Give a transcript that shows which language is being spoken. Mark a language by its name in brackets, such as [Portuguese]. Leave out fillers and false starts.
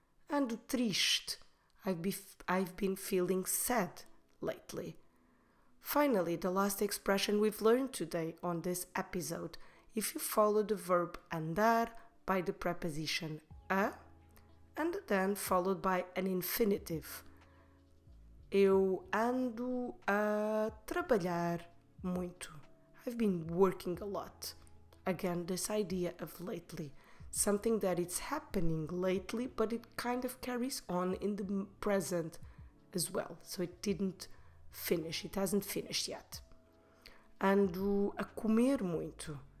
[Portuguese] Ando triste. [English] I've been feeling sad lately. Finally, the last expression we've learned today on this episode. If you follow the verb andar by the preposition a, and then followed by an infinitive. [Portuguese] Eu ando a trabalhar muito. [English] I've been working a lot. Again, this idea of lately. Something that it's happening lately, but it kind of carries on in the present as well. So it didn't finish. It hasn't finished yet. [Portuguese] Ando a comer muito.